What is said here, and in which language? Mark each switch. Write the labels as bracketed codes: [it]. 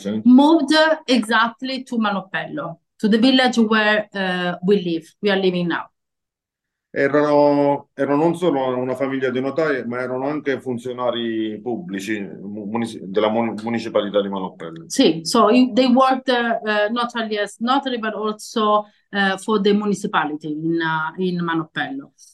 [en] moved exactly to Manopello, to the village where we are living now. [it] Erano non solo una famiglia di notai, ma erano anche funzionari pubblici della municipalità di Manopello. [en] Sì, so they worked not only as notary, but also for the municipality in Manopello.